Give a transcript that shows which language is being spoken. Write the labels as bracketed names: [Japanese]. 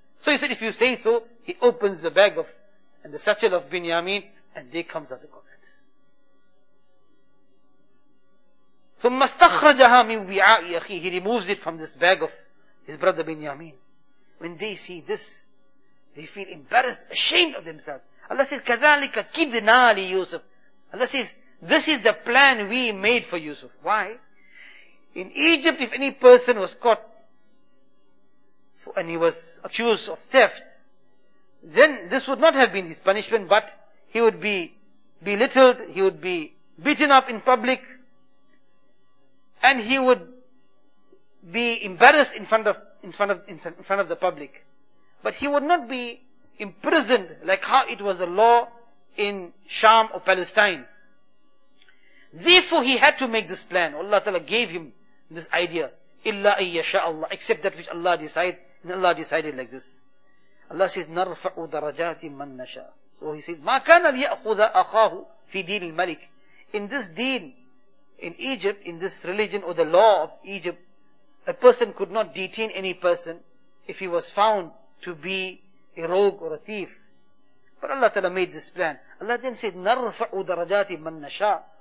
[English] So he said, if you say so, he opens the bag of, and the satchel of Binyamin, and there comes out the goblet. [Arabic] ثم استخرجها من وعاء أخي. [English] He removes it from this bag of his brother Binyamin. When they see this, they feel embarrassed, ashamed of themselves. Allah says, [Arabic] كَذَلِكَ كِدْنَا لِيُوسُفْ. [English] Allah says, this is the plan we made for Yusuf. Why? In Egypt, if any person was caught and he was accused of theft, then this would not have been his punishment, but he would be belittled, he would be beaten up in public, and he would be embarrassed in front of the public. But he would not be imprisoned like how it was a law in Sham or Palestine. Therefore he had to make this plan. Allah Ta'ala gave him this idea. [Arabic] إِلَّا أَن يَشَاءَ اللَّهُ. [English] Except that which Allah decided. And Allah decided like this. Allah says, [Arabic] نَرْفَعُ دَرَجَاتٍ مَن نَشَاءُ. [English] So he says, [Arabic] مَا كَانَ لِيَأْخُذَ أَخَاهُ فِي دِينِ الْمَلِكِ. [English] In this deen, in Egypt, in this religion or the law of Egypt, a person could not detain any person if he was found to be a rogue or a thief. But Allah Ta'ala made this plan. Allah then said, [Arabic] نَرْفَعُ دَرَجَاتِ مَنْ نَشَاءُ